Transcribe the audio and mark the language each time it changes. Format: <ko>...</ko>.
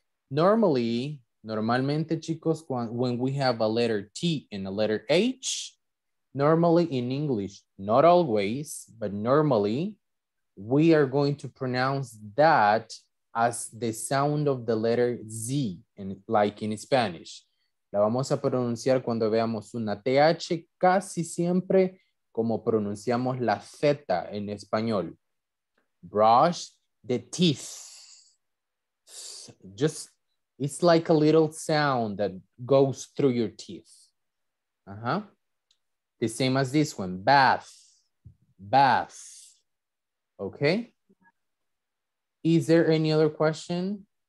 <en>Normalmente, chicos, when we have a letter T and a letter H, normally in English, not always, but normally, we are going to pronounce that as the sound of the letter Z, in, like in Spanish.</en> <es>La vamos a pronunciar cuando veamos una TH, casi siempre como pronunciamos la Z en español.</es> <en>Brush the teeth. Just, it's like a little sound that goes through your teeth. Uh-huh. The same as this one, bath, bath, okay? Is there any other question?</en>